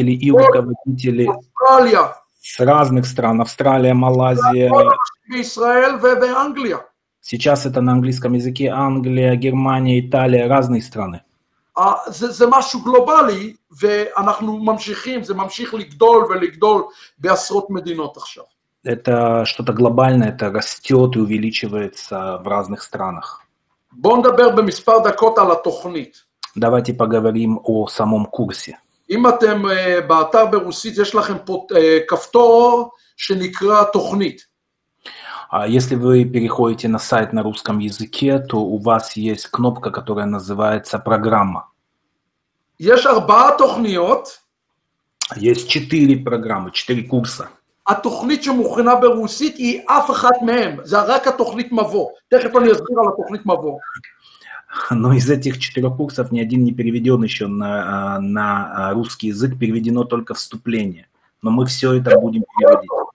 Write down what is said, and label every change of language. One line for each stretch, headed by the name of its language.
Russian: אוסטרליה, с разных стран, Австралия, Малайзия, Израиль и Англия. Сейчас это на английском языке: Англия, Германия, Италия, разные страны.
Hebrew: А זה משהו גלובלי, ואנחנו ממשיכים, זה ממשיך לגדול ולגדול בעשרות מדינות עכשיו.
Russian: Это что-то глобальное, это растет и увеличивается в разных странах.
Hebrew: בוא נדבר במספר דקות על התוכנית.
Russian: Давайте поговорим о самом курсе.
Hebrew: אם אתם באתר ברוסית, יש לכם כפתור שנקרא תוכנית.
Russian: Если вы переходите на сайт на русском языке, то у вас есть кнопка, которая называется программа.
Hebrew: יש 4 תוכניות.
Russian: Есть 4 программы, 4 курса.
Hebrew: התוכנית שמוכנה ברוסית היא אף אחת מהם. זה רק התוכנית מבוא. תכף אני אסביר על התוכנית מבוא.
Russian: Но из этих 4 курсов ни один не переведен еще на русский язык, переведено только вступление. Но мы все это будем переводить.